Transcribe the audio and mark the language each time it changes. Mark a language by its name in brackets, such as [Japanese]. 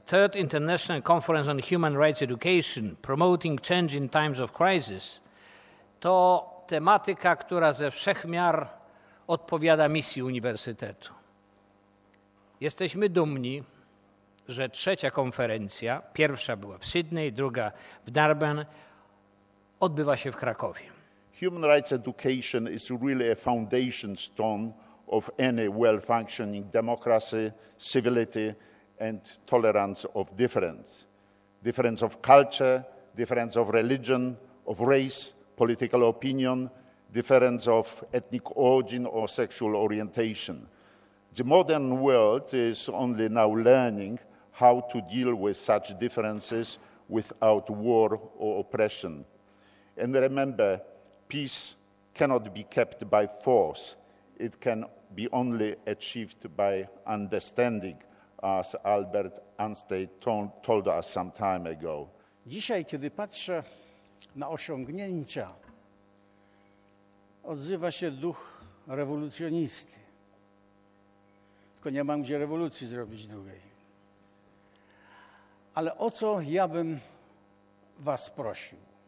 [English] Third International Conference on Human Rights Education, Promoting Change in Times of Crisis, [Polish] to tematyka, która ze wszech miar odpowiada misji Uniwersytetu. Jesteśmy dumni, że trzecia konferencja, pierwsza była w Sydney, druga w Durban, odbywa się w Krakowie. [English] Human rights education is really a foundation stone of any well-functioning democracy, civility and tolerance of difference. Difference of culture, difference of religion, of race, political opinion, difference of ethnic origin or sexual orientation. The modern world is only now learning how to deal with such differences without war or oppression. And remember, peace cannot be kept by force. It can be only achieved by understanding, as Albert Einstein told us some time ago. [Polish] Dzisiaj, kiedy patrzę na osiągnięcia, odzywa się duch rewolucjonisty. Tylko nie mam gdzie rewolucji zrobić drugiej. Ale o co ja bym was prosił?